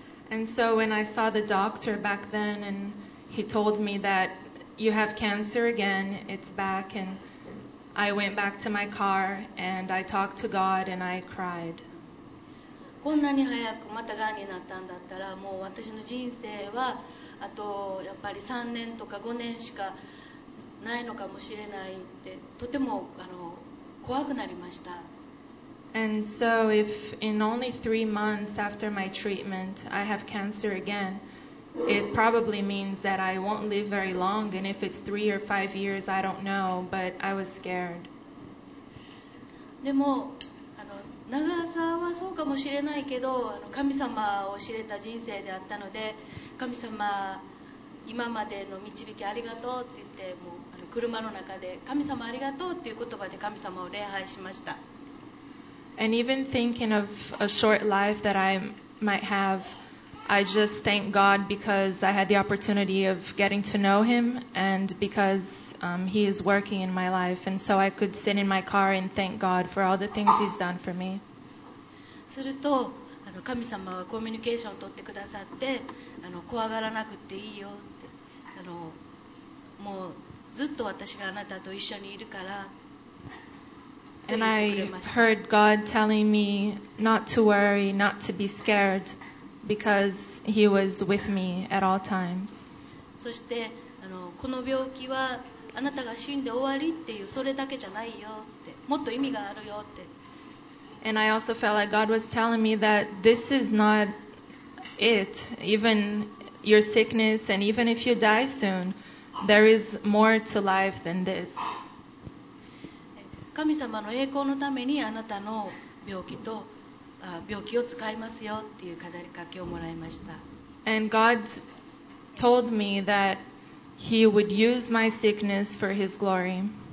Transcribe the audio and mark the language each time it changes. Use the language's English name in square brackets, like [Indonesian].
[English] And so when I saw the doctor back then and he told me that you have cancer again, it's back, and I went back to my car and I talked to God and I cried. [Japanese] こんなに早くまたがんになったんだったらもう私の人生はあとやっぱり3年とか5年しかないのかもしれないってとても怖くなりました。 [English] And so if in only 3 months after my treatment I have cancer again, it probably means that I won't live very long, and if it's 3 or 5 years I don't know, but I was scared. [Japanese] でも長さはそうかもしれないけど神様を知れた人生であったので、神様今までの導きありがとうって言って、もう車の中で神様ありがとうっていう言葉で神様を礼拝しました。 [English] And even thinking of a short life that I might have, I just thank God because I had the opportunity of getting to know him, and because he is working in my life, and so I could sit in my car and thank God for all the things he's done for me. [Japanese] すると神様はコミュニケーションを取ってくださって、怖がらなくていいよって、もうずっと私があなたと一緒にいるからと言ってくれました。 [English] And I heard God telling me not to worry, not to be scared, because he was with me at all times. [Japanese] そしてこの病気はあなたが死んで終わりっていうそれだけじゃないよって、もっと意味があるよって。 [English] And I also felt like God was telling me that this is not it. Even your sickness, and even if you die soon, there is more to life than this. [Japanese] 神様の栄光のためにあなたの病気を使いますよっていう語りかけをもらいました。 [English] And God told me that He would use my sickness for His glory.